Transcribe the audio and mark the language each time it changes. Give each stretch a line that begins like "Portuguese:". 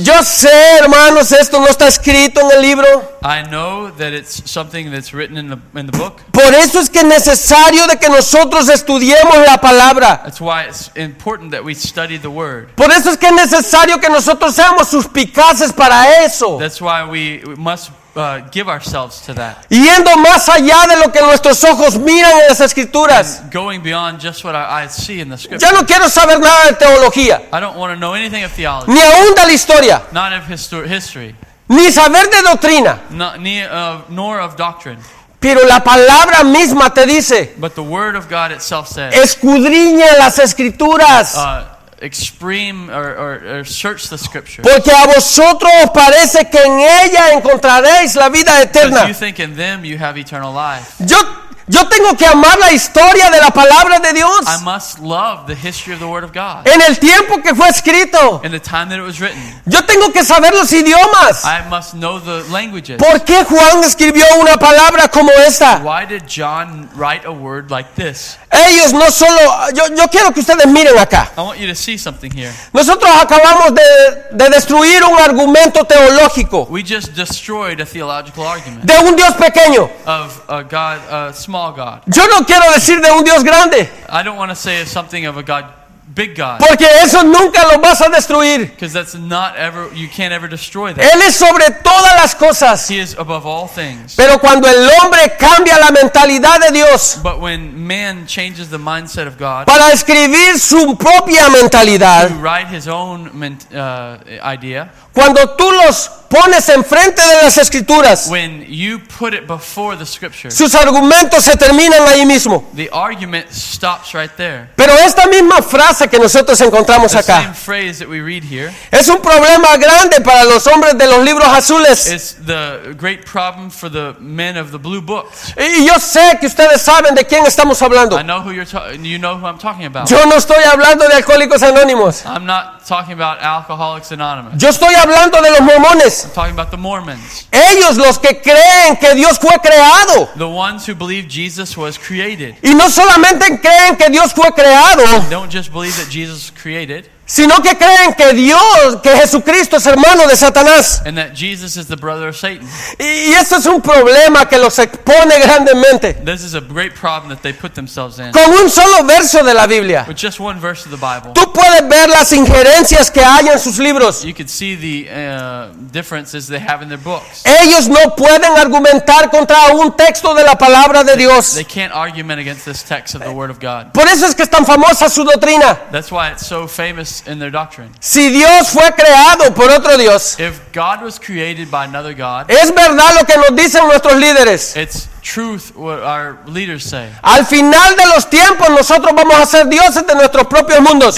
Spanish: Yo sé, hermanos, esto no está escrito en el libro.
English: I know that it's something that's written in the book.
Spanish: Por eso es que es necesario de que nosotros estudiemos la palabra.
English: That's why it's important that we study the word.
Spanish: Por eso es que es necesario que nosotros seamos suspicaces para eso.
English: That's why we must give ourselves to that.
Spanish: Yendo más allá de lo que nuestros ojos miran en las escrituras.
English: Going beyond just what our eyes see in the scriptures.
Spanish: Ya no quiero saber nada de teología.
English: I don't want to know anything of theology.
Spanish: Ni aún de la historia.
English: Not of history.
Spanish: Ni saber de doctrina.
English: Nor of doctrine.
Spanish: Pero la palabra misma te dice.
English: But the word of God itself says.
Spanish: Escudriña las escrituras.
English: Or search the scriptures.
Spanish: Porque a vosotros os parece que en ella encontraréis la vida eterna.
English: You think in them you have eternal life.
Spanish: Yo tengo que amar la historia de la palabra de Dios.
English: I must love the history of the word of God.
Spanish: En el tiempo que fue escrito.
English: In the time that it was written.
Spanish: Yo tengo que saber los idiomas.
English: I must know the languages.
Spanish: ¿Por qué Juan escribió una palabra como esta?
English: Why did John write a word like this?
Spanish: Ellos no solo yo quiero que ustedes miren acá.
English: I want you to see something here.
Spanish: Nosotros acabamos de destruir un argumento teológico.
English: We just destroyed a theological argument.
Spanish: De un Dios pequeño.
English: Of a God, a small God.
Spanish: Yo no quiero decir de un Dios grande.
English: I don't want to say something of a God, big God.
Spanish: Porque eso nunca lo vas a destruir.
English: Because that's not ever, you can't ever destroy that.
Spanish: Él es sobre todas las cosas.
English: He is above all things.
Spanish: Pero cuando el hombre cambia la mentalidad de Dios.
English: But when man changes the mindset of God.
Spanish: Para escribir su propia mentalidad.
English: To write his own idea.
Spanish: Cuando tú los pones enfrente de las escrituras.
English: When you put it before the scriptures.
Spanish: Sus argumentos se terminan ahí mismo.
English: The argument stops right there.
Spanish: Pero esta misma frase que nosotros encontramos acá.
English: The same phrase that we read here.
Spanish: Es un problema grande para los hombres de los libros azules.
English: It's the great problem for the men of the blue books.
Spanish: Y yo sé que ustedes saben de quién estamos hablando.
English: I know who you're you know who I'm talking about.
Spanish: Yo no estoy hablando de Alcohólicos Anónimos.
English: I'm not talking about Alcoholics Anonymous.
Spanish: Yo estoy hablando de los mormones.
English: I'm talking about the Mormons.
Spanish: Ellos los que creen que Dios fue creado.
English: The ones who believe Jesus was created.
Spanish: Y no solamente creen que Dios fue creado.
English: They don't just believe that Jesus was created.
Spanish: sino que creen que Dios, que Jesucristo es hermano de Satanás.
English: And that Jesus is the brother of Satan.
Spanish: Y eso es un problema que los expone grandemente.
English: This is a great problem that they put themselves in.
Spanish: Con un solo verso de la Biblia.
English: With just one verse of the Bible.
Spanish: Tú puedes ver las injerencias que hay en sus libros.
English: You can see the differences they have in their books.
Spanish: Ellos no pueden argumentar contra un texto de la palabra de Dios.
English: They can't argument against this text of the word of God.
Spanish: Por eso es que es tan famosa su doctrina.
English: That's why it's so famous. In their doctrine.
Spanish: Si Dios fue creado por otro Dios,
English: if God was created by another God,
Spanish: es verdad lo que nos dicen nuestros líderes.
English: It's truth what our leaders say.
Spanish: Al final de los tiempos nosotros vamos a ser dioses de nuestros propios mundos.